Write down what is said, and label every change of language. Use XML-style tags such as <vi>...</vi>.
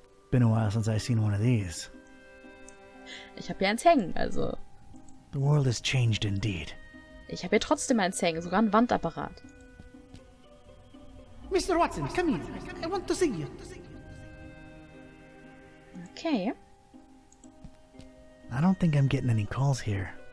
<en>Been a while since I've seen one of these.</en> <de>Ich habe ja eins hängen, also.</de> <en>The world has changed indeed.</en> <de>Ich habe ja trotzdem eins hängen, sogar ein Wandapparat.</de> <en>Mr. Watson, come here. I want to see you. Okay. I don't think I'm getting any calls here.</en>